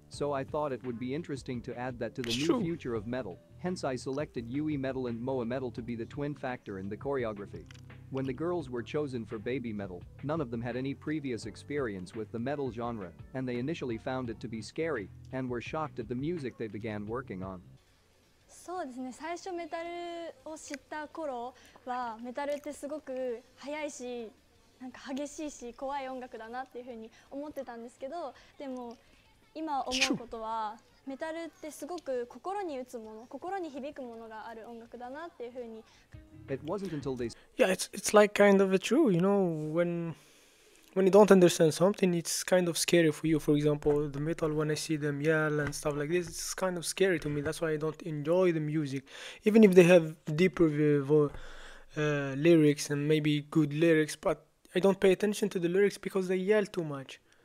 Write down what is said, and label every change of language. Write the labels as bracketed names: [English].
[English] So I thought it would be interesting to add that to the new future of metal, hence I selected Yui Metal and Moa Metal to be the twin factor in the choreography. When the girls were chosen for Baby Metal, none of them had any previous experience with the metal genre, and they initially found it to be scary, and were shocked at the music they began working on." [Japanese] そうですね、最初メタルを知った頃は、メタルってすごく速いし、なんか激しいし、怖い音楽だなっていうふうに思ってたんですけど、でも今思うことはメタルってすごく心に打つもの、心に響くものがある音楽だなっていうふうに。 [English] It wasn't until they. Yeah, it's like kind of a true, you know, when you don't understand something, it's kind of scary for you. For example, the metal, when I see them yell and stuff like this, it's kind of scary to me. That's why I don't enjoy the music, even if they have deeper lyrics and maybe good lyrics, but I don't pay attention to the lyrics because they yell too much.